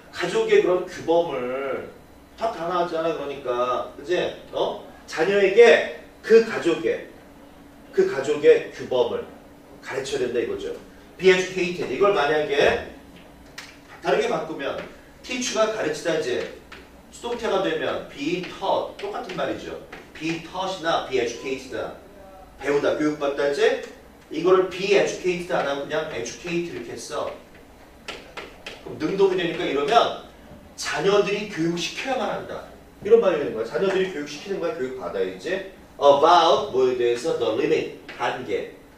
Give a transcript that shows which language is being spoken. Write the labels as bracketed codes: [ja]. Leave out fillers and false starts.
[ko] 가족의 그런 규범을 다 당하잖아, 그러니까. 그치? 어? 자녀에게 그 가족의 그 가족의 규범을 가르쳐야 된다 이거죠. [en] Be educated. [ko] 이걸 만약에 다르게 바꾸면 teach가 가르치다 이제 수동태가 되면 [en] be taught. [ko] 똑같은 말이죠. [en] Be taught이나 be educated. [ko] 배우다 교육받다 이제 이거를 [en] be educated [ko] 안 하고 그냥 educate 이렇게 했어. 그럼 능동이 되니까 이러면 자녀들이 교육시켜야만 한다. 이런 말이 되는 거야. 자녀들이 교육시키는 거야. 교육받아야 이제 About, 뭐에 대해서 [en] the limit, [ko] 한계.